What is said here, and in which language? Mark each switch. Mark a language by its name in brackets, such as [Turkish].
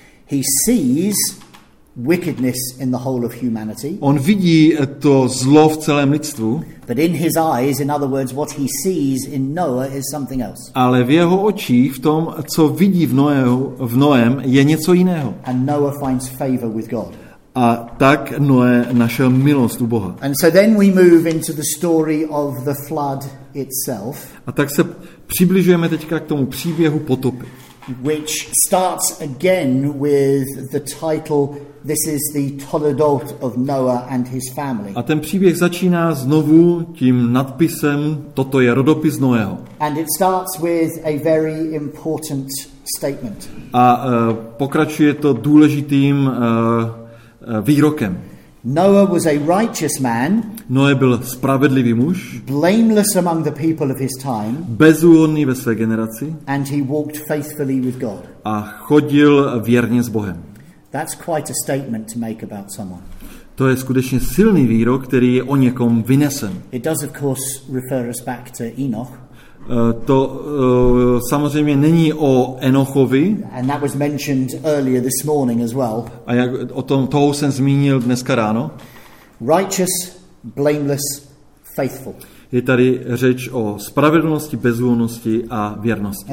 [English] He sees wickedness in the whole of humanity. [Czech] On vidí to zlo v celém lidstvu. [English] But in his eyes, in other words, what he sees in Noah is something else. [Czech] Ale v jeho očích, v tom, co vidí v Noém, je něco jiného. [English] And Noah finds favor with God. [Czech] A tak Noé našel milost u Boha. [English] And so then we move into the story of the flood itself. [Czech] A tak se přibližujeme teďka k tomu příběhu potopy. [English] Which starts again with the title, this is the Toledot of Noah and his family. [Czech] A ten příběh začíná znovu tím nadpisem, toto je rodopis Noého. [English] And it starts with a very important statement. [Czech] A pokračuje to důležitým výrokem. [English] Noah was a righteous man. [Czech] Noé byl spravedlivý muž. [English] Blameless among the people of his time. [Czech] Bezúhonný ve své generaci. [English] And he walked faithfully with God. [Czech] A chodil věrně s Bohem. [English] That's quite a statement to make about someone. [Czech] To je skutečně silný výrok, který je o někom vynesen. [English] It does of course refer us back to Enoch. [Czech] To samozřejmě není o Enochovi. [English] And that was mentioned earlier this morning as well. [Czech] A jak o tom toho jsem zmínil dneska ráno. [English] Righteous, blameless, faithful. [Czech] Je tady řeč o spravedlnosti, bezúhonnosti a věrnosti.